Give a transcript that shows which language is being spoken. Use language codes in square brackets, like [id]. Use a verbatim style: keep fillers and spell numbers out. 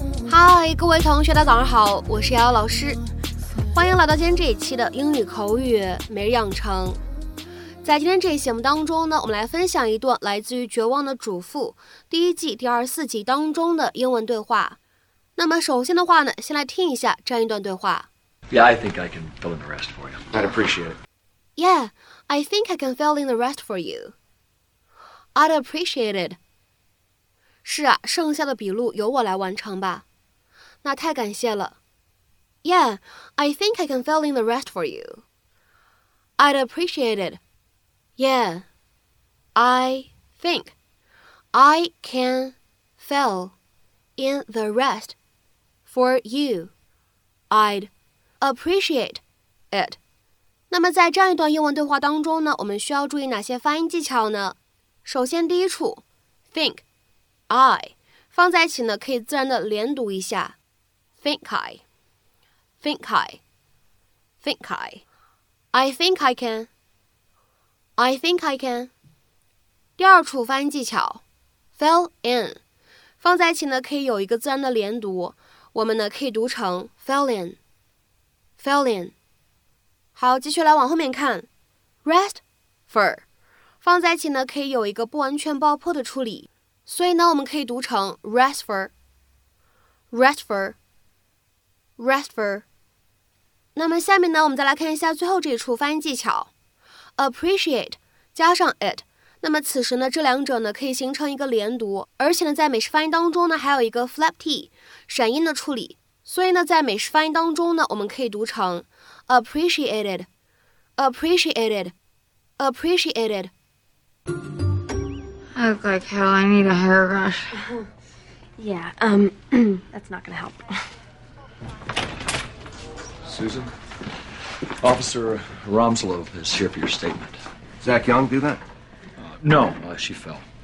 [zh] 嗨，各位同学大家早上好，我是瑶瑶老师，欢迎来到今天这一期的英语口语每日养成。在今天这一节目当中呢，我们来分享一段来自于《绝望的主妇》第一季第二十四集当中的英文对话。那么首先的话呢，先来听一下这样一段对话。 [en] Yeah, I think I can fill in the rest for you. I'd appreciate it. Yeah, I think I can fill in the rest for you. I'd appreciate it. [zh] 是啊，剩下的笔录由我来完成吧。那太感谢了。 [en] Yeah, I think I can fill in the rest for you. I'd appreciate it. Yeah, I think I can fill in the rest for you. I'd appreciate it. [zh] 那么在这样一段英文对话当中呢，我们需要注意哪些发音技巧呢？首先第一处 think I 放在一起呢，可以自然的连读一下 think I, think I, think I, [en] I think I can. I think I can. [zh] 第二处发音技巧 fill in 放在一起呢，可以有一个自然的连读，我们呢可以读成 fill in, fill in。好，继续来往后面看 rest for 放在一起呢，可以有一个不完全爆破的处理，所以呢我们可以读成 rest for, rest for, rest for。那么下面呢，我们再来看一下最后这一处发音技巧appreciate 加上 it， 那么此时呢这两者呢可以形成一个连读，而且呢在美式发音当中呢还有一个 flap t 闪音的处理，所以呢在美式发音当中呢我们可以读成 appreciated, appreciated, appreciated。 [en] I look like hell, I need a hairbrush. Yeah, um, that's not gonna help. Susan? Officer Romslov is here for your statement. Zach Young do that? Uh, no, uh, she fell.